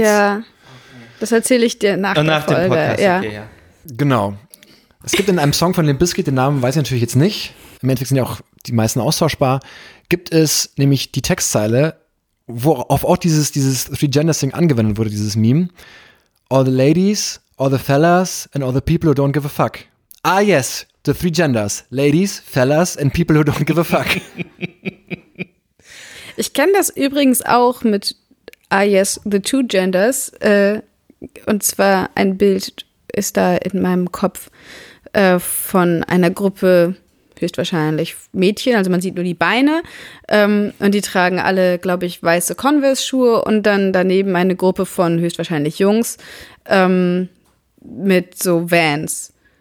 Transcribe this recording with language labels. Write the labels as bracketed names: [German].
[German] Ja, das erzähle ich dir nach der Folge. Nach dem Podcast, ja. Okay, ja. Genau. Es gibt in einem Song von Limp Bizkit, den Namen weiß ich natürlich jetzt nicht, im Endeffekt sind ja auch die meisten austauschbar, gibt es nämlich die Textzeile, worauf auch dieses [English] Three Genders Thing [German] angewendet wurde, dieses Meme. [English] All the ladies, all the fellas, and all the people who don't give a fuck. Ah, yes, the three genders. Ladies, fellas, and people who don't give a fuck. [German] Ich kenne das übrigens auch mit, [English] ah, yes, the two genders. [German] Und zwar ein Bild ist da in meinem Kopf von einer Gruppe, höchstwahrscheinlich Mädchen, also man sieht nur die Beine und die tragen alle, glaube ich, weiße Converse-Schuhe und dann daneben eine Gruppe von höchstwahrscheinlich Jungs mit so Vans.